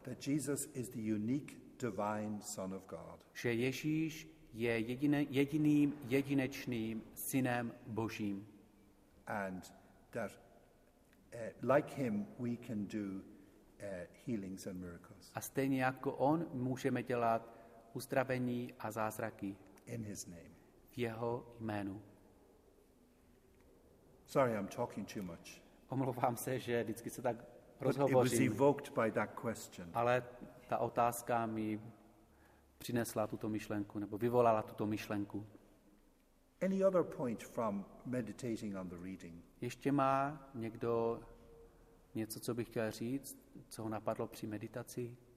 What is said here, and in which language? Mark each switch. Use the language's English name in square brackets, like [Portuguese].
[English] That Jesus is the unique divine Son of God. [Czech] Že Ježíš je jediným jedinečným synem Božím. [English] And that like him we can do healings and miracles. [Czech] A stejně jako on můžeme dělat uzdravení a zázraky. [English] In his name. [Czech] V jeho jménu. [English] Sorry, I'm talking too much. [Czech] Omlouvám se, že vždycky se tak rozhovořím. [English] But it was evoked by that question. [Czech] Ale ta otázka mi přinesla tuto myšlenku, nebo vyvolala tuto myšlenku. [English] Any other point from meditating on the reading? [Czech] Ještě má někdo něco, co bych chtěl říct, co ho napadlo při meditaci?